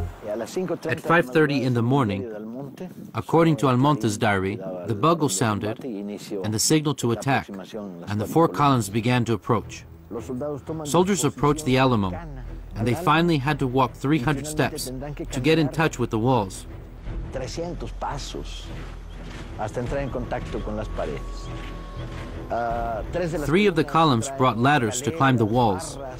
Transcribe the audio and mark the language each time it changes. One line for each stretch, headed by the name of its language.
English: At 5:30 in the morning, according to Almonte's diary, the bugle sounded and the signal to attack, and the four columns began to approach. Soldiers approached the Alamo, and they finally had to walk 300 steps to get in touch with the walls.
Spanish: 300 pasos hasta entrar en contacto con las paredes.
English: Three of the columns brought ladders to climb the walls.